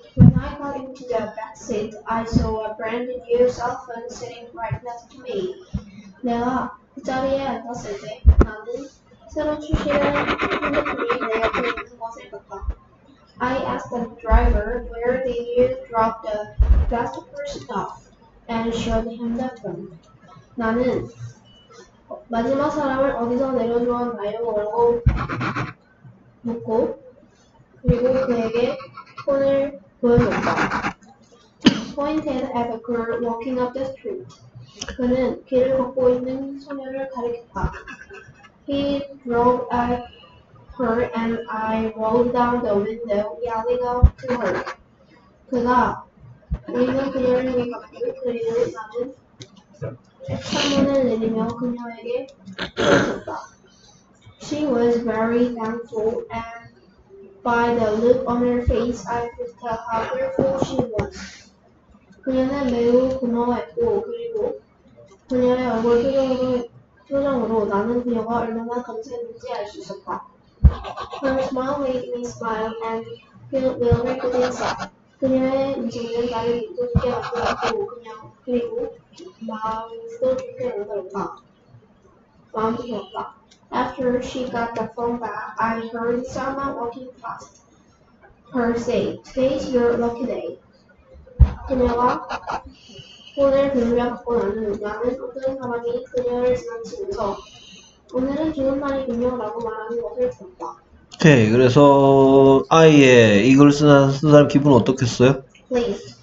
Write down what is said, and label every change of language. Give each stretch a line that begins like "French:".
English: When I got into the back seat, I saw a brand new cell phone sitting right next to me.
Korean: 내가 그 자리에 앉았을 때 나는 새로 출시한 핸드폰이 내 옆에 있는 것을 봤다.
English: I asked the driver, where did you drop the last person off? And showed him the phone.
Korean: 나는 마지막 사람을 어디서 내려주었나요? 라고 묻고, 그리고 그에게 폰을 보여줬다.
English: Pointed at a girl walking up the street.
Korean: 그는 길을 걷고 있는 소녀를 가리켰다.
English: He drove at her and I rolled down the window, yelling out to her.
Korean: 그가 우리는 그녀를 위해 갔고, 그리고 나는 창문을 내리며 그녀에게 외쳤다.
English: She was very thankful, and by the look on her face, I could tell how grateful she was.
Korean: 그녀는 매우 고마워했고, 그리고 그녀의 얼굴 표정으로 나는 그녀가 얼마나 감사했는지 알수 있었다.
English: Her smile made me smile and feel very good inside.
Korean: 그녀의 음성은 나를 믿고 싶게 만들었고, 그리고 마음도 좋게 만들었다. 마음도 좋았다.
English: After she got the phone back, I heard someone walking past her say, "Today's your lucky day."
Korean: 그녀가 폰을 들으며 걷고 나는 어떤 사람이 그녀를 지나치면서, "오늘은 좋은 날이군요." 라고 말하는 것을 들었다. 오케이, 그래서 아예 이걸 쓰는 사람 기분 어떻겠어요?
English: Please.